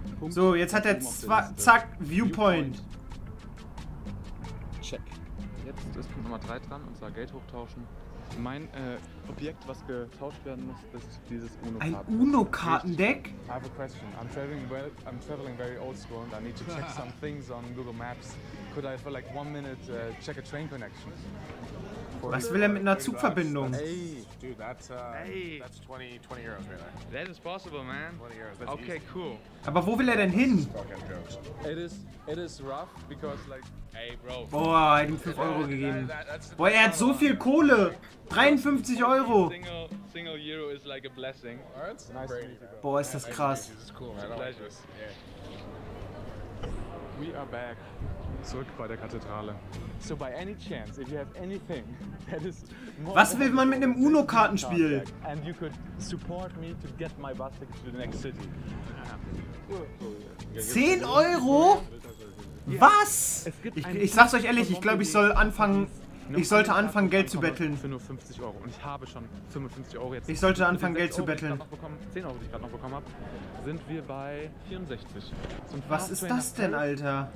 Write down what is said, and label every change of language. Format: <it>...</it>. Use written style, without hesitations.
<de>So, jetzt hat er zack, Viewpoint. Check. Jetzt ist Punkt Nummer 3 dran, und zwar Geld hochtauschen. Mein Objekt, was getauscht werden muss, ist dieses UNO-Kartendeck. Ein UNO-Kartendeck?</de> <en>I have a question. I'm traveling very old school and I need to check some things on Google Maps. Could I for like 1 minute check a train connection?</en> <de>Was will er mit einer Zugverbindung?</de> <en>Hey, dude, that's 20 euros right there. That is possible, man. 20 euros, that's okay, easy. Cool.</en> <de>Aber wo will er denn hin?</de> <en>It is rough because like... Hey, bro.</en> <de>Boah, er hat ihm 5 Euro gegeben. Boah, er hat so viel Kohle. 53 Euro.</de> <en>Single Euro is like a blessing.</en> <de>Boah, ist das krass.</de> <en>We are back.</en> <de>Zurück bei der Kathedrale.</de> <en>So by any chance, if you have anything that is...</en> <de>Was will man mit einem UNO-Kartenspiel?</de> <en>And you could support me to get my bus ticket to the next city.</en> <de>10 Euro? Was? Ich sag's euch ehrlich, ich glaube, ich sollte anfangen, Geld zu betteln. Für nur 50 Euro. Und ich habe schon 55 Euro jetzt. Ich sollte anfangen, Geld zu betteln. 10 Euro, die ich gerade noch bekommen habe, sind wir bei 64. Was ist das denn, Alter?</de>